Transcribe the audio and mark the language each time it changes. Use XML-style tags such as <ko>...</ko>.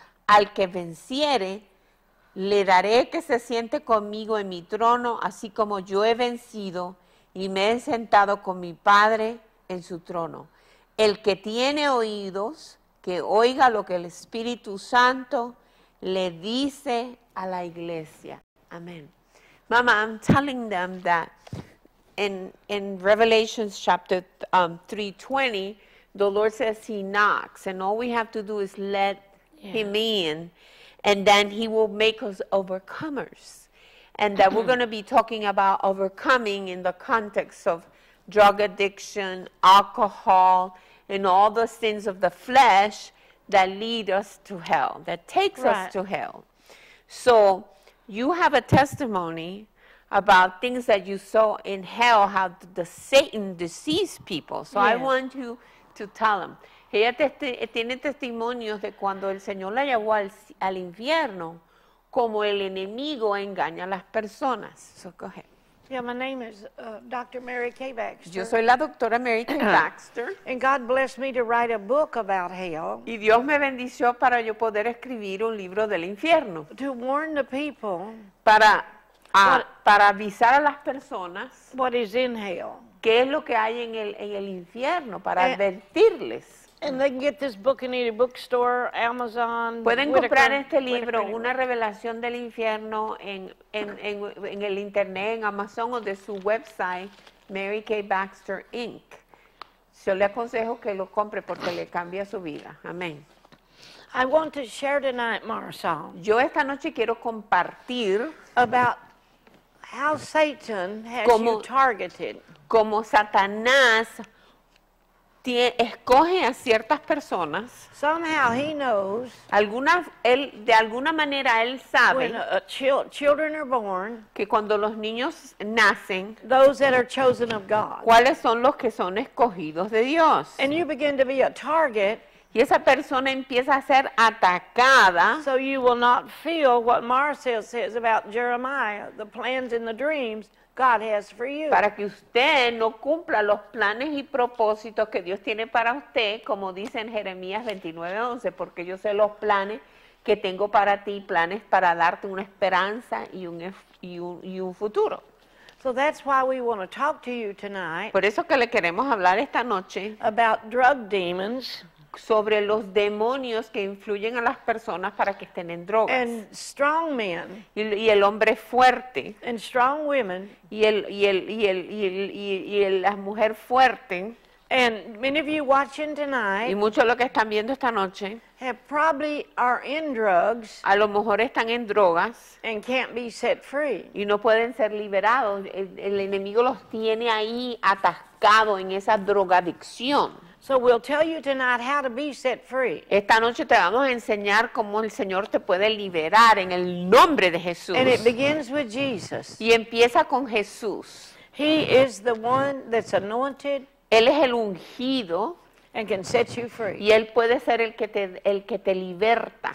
<es>Al que venciere, le daré que se siente conmigo en mi trono, así como yo he vencido y me he sentado con mi Padre en su trono. El que tiene oídos, que oiga lo que el Espíritu Santo le dice a la iglesia. Amén.</es> <en>Mama, I'm telling them that in Revelation chapter 3:20, the Lord says he knocks and all we have to do is let him in. And then he will make us overcomers. And that we're going to be talking about overcoming in the context of drug addiction, alcohol, and all the sins of the flesh that lead us to hell, that takes us to hell. So you have a testimony about things that you saw in hell, how the Satan deceives people. So I want you to tell them.</en> <es>Ella tiene testimonios de cuando el Señor la llevó al infierno, como el enemigo engaña a las personas.</es> <en>So, go ahead. Yeah, my name is Dr. Mary Kay Baxter.</en> <es>Yo soy la doctora Mary Kay Baxter.</es> <en>And God blessed me to write a book about hell.</en> <es>Y Dios me bendició para yo poder escribir un libro del infierno.</es> <en>To warn the people.</en> <es>Para avisar a las personas.</es> <en>What is in hell.</en> <es>Qué es lo que hay en el infierno, para advertirles.</es> <en>And they can get this book in any bookstore, Amazon.</en> <es>Pueden comprar este libro, una revelación del infierno, en el internet, en Amazon o de su website, Mary Kay Baxter Inc. Yo le aconsejo que lo compre porque le cambia su vida. Amén.</es> <en>I want to share tonight, Marisol.</en> <es>Yo esta noche quiero compartir</es> <en>about how Satan has you targeted.</en> <es>Como Satanás escoge a ciertas personas.</es> <en>Somehow he knows.</en> <es>De alguna manera él sabe.</es> <en>When children are born.</en> <es>Que cuando los niños nacen.</es> <en>Those that are chosen of God.</en> <es>¿Cuáles son los que son escogidos de Dios?</es> <en>And you begin to be a target.</en> <es>Y esa persona empieza a ser atacada.</es> <en>So you will not feel what Marcel says about Jeremiah, the plans and the dreams God has for you.</en> <es>Para que usted no cumpla los planes y propósitos que Dios tiene para usted, como dice en Jeremías 29:11, porque yo sé los planes que tengo para ti, planes para darte una esperanza y un futuro.</es> <en>So that's why we want to talk to you tonight.</en> <es>Por eso que le queremos hablar esta noche.</es> <en>About drug demons.</en> <es>Sobre los demonios que influyen a las personas para que estén en drogas.</es> <en>And strong men.</en> <es>Y el hombre fuerte.</es> <en>And strong women.</en> <es>Y la mujer fuerte.</es> <en>And many of you watching tonight.</en> <es>Y muchos de los que están viendo esta noche.</es> <en>Have probably are in drugs.</en> <es>A lo mejor están en drogas.</es> <en>And can't be set free.</en> <es>Y no pueden ser liberados. El enemigo los tiene ahí atascado en esa drogadicción.</es> <en>So we'll tell you tonight how to be set free.</en> <es>Esta noche te vamos a enseñar cómo el Señor te puede liberar en el nombre de Jesús.</es> <en>And it begins with Jesus.</en> <es>Y empieza con Jesús.</es> <en>He is the one that's anointed.</en> <es>Él es el ungido.</es> <en>And can set you free.</en> <es>Y él puede ser el que te liberta</es>